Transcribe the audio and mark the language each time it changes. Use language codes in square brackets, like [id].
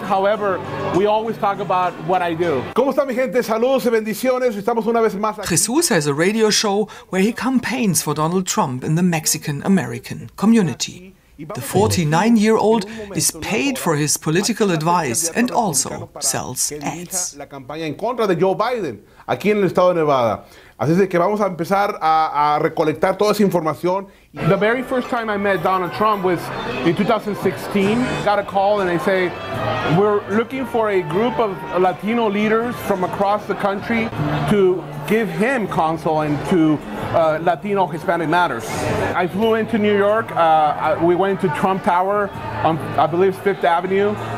[en] However, we always talk about what I do. [es] ¿Cómo está mi gente? Saludos y bendiciones. Estamos una vez más aquí. [en] Jesús has a radio show where he campaigns for Donald Trump in the Mexican-American community. The 49-year-old is paid for his political advice and also sells ads. [es] La campaña en contra de Joe Biden aquí en el estado de Nevada. Así es que vamos a empezar a recolectar toda esa información. [en] The very first time I met Donald Trump was in 2016. Got a call and they say, we're looking for a group of Latino leaders from across the country to give him counsel into Latino Hispanic matters. I flew into New York. We went to Trump Tower on, I believe, Fifth Avenue.